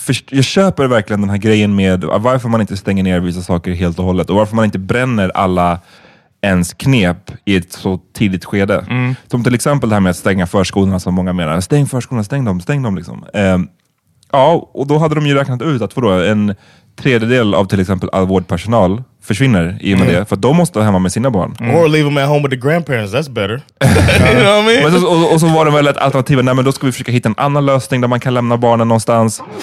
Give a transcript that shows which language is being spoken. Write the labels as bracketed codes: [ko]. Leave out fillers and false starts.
[sv] Jag köper verkligen den här grejen med varför man inte stänger ner vissa saker helt och hållet. Och varför man inte bränner alla ens knep i ett så tidigt skede. Som till exempel det här med att stänga förskolorna som många menar. Stäng förskolorna, stäng dem liksom. Ja, och då hade de ju räknat ut att en tredjedel av till exempel all vårdpersonal försvinner i och med det. För de måste vara hemma med sina barn. [en] Or leave them at home with the grandparents, that's better. You know what I mean? [sv] Och så var det väl ett alternativ. Nej, men då ska vi försöka hitta en annan lösning där man kan lämna barnen någonstans.